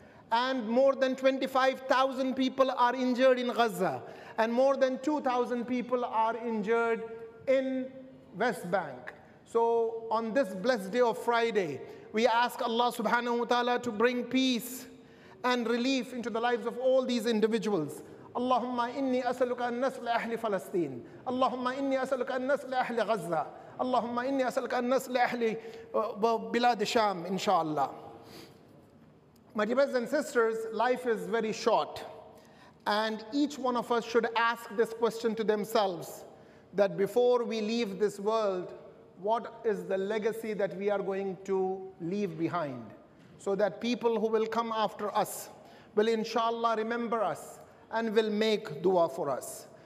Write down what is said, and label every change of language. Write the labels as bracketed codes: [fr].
[en] And more than 25,000 people are injured in Gaza. And more than 2,000 people are injured in West Bank. So on this blessed day of Friday, we ask Allah subhanahu wa ta'ala to bring peace and relief into the lives of all these individuals. [ar] اللهم إني أسألك أن نسل أهل فلسطين اللهم إني أسألك أن نسل أهل غزة اللهم إني أسألك أن نسل أهل بلاد الشام إن شاء الله. [en] My dear brothers and sisters, life is very short, and each one of us should ask this question to themselves, that before we leave this world, what is the legacy that we are going to leave behind, so that people who will come after us will inshallah remember us and will make dua for us.